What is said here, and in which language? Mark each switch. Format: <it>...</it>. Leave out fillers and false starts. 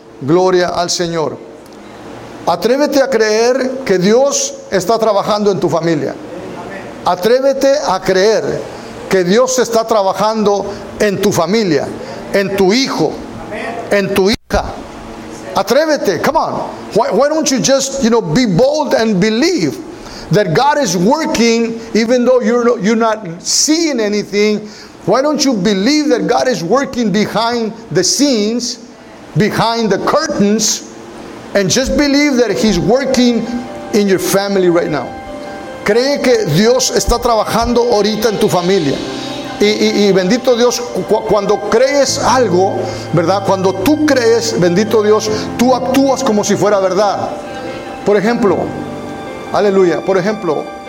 <es>Gloria al Señor. Atrévete a creer que Dios está trabajando en tu familia. Atrévete a creer que Dios está trabajando en tu familia, en tu hijo, en tu hija.</es> <en>Atrévete, come on. Why don't you just, you know, be bold and believe that God is working even though you're not seeing anything? Why don't you believe that God is working behind the scenes? Behind the curtains, and just believe that he's working in your family right now.</en> <es>Cree que Dios está trabajando ahorita en tu familia. Y bendito Dios, cuando crees algo, ¿verdad? Cuando tú crees, bendito Dios, tú actúas como si fuera verdad. Por ejemplo, aleluya, por ejemplo,</es>